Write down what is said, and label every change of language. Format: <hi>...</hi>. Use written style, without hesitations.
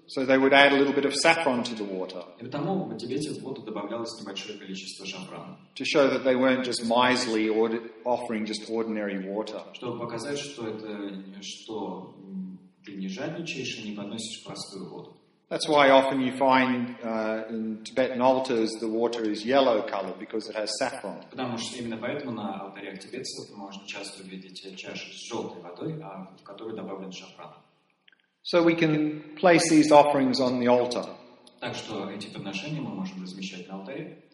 <en>So they would add a little bit of saffron to the water.</en> <ru>И потому в Тибете в воду добавлялось небольшое количество шафрана.</ru> <en>To show that they weren't just miserly or offering just ordinary water.</en> <ru>Чтобы показать, что это что ты не жадничаешь и не подносишь простую воду.</ru> <en>That's why often you find in Tibetan altars the water is yellow color because it has saffron.</en> <ru>Потому что именно поэтому на алтарях тибетцев можно часто видеть чаши с желтой водой, в которую добавлен шафран.</ru> <en>So we can place these offerings on the altar.</en> <ru>Так что эти подношения мы можем размещать на алтаре.</ru>